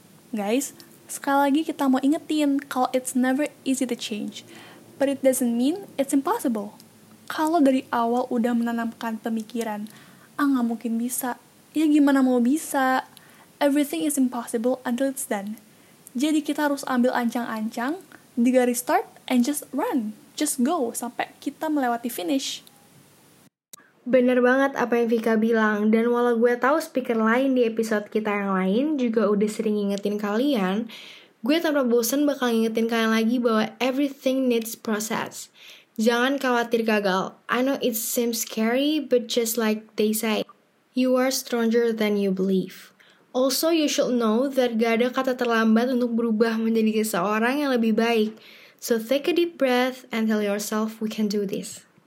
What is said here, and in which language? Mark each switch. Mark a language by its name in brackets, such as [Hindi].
[Indonesian] Guys, sekali lagi kita mau ingetin kalau [English] it's never easy to change, but it doesn't mean it's impossible. [Indonesian] Kalau dari awal udah menanamkan pemikiran, gak mungkin bisa, ya gimana mau bisa? [English] Everything is impossible until it's done. [Indonesian] Jadi kita harus ambil ancang-ancang, digaris start, [English] and just run. Just go, [Indonesian] sampai kita melewati finish. Bener banget apa yang Vika bilang, dan walau gue tahu speaker lain di episode kita yang lain juga udah sering ngingetin kalian, gue tanpa bosan bakal ngingetin kalian lagi bahwa [English] everything needs process. [Indonesian] Jangan khawatir gagal. [English] I know it seems scary, but just like they say, you are stronger than you believe. Also, you should know that [Indonesian] gak ada kata terlambat untuk berubah menjadi seseorang yang lebih baik. [English] So take a deep breath and tell yourself we can do this.